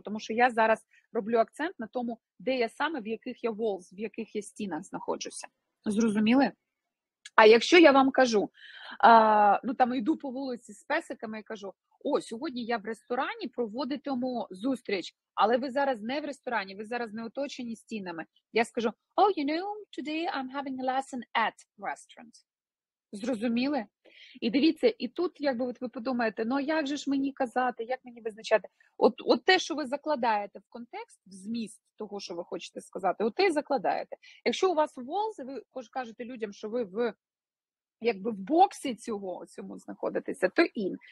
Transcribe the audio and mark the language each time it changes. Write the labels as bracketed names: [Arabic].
[Ukrainian] Тому що я зараз роблю акцент на тому, де я саме, в яких я walls, в яких я стінах знаходжуся. Зрозуміли? А якщо я вам кажу, ну там йду по вулиці з песиками і кажу, о, сьогодні я в ресторані, проводитиму зустріч, але ви зараз не в ресторані, ви зараз не оточені стінами. [English] Я скажу, oh, you know, today I'm having a lesson at restaurant. [Ukrainian] Зрозуміли? І дивіться, і тут якби от ви подумаєте, ну як же ж мені казати, як мені визначати? От те, що ви закладаєте в контекст, в зміст того, що ви хочете сказати, от те й закладаєте. Якщо у вас walls, ви кажете людям, що ви в, якби в боксі цьому знаходитеся, то in.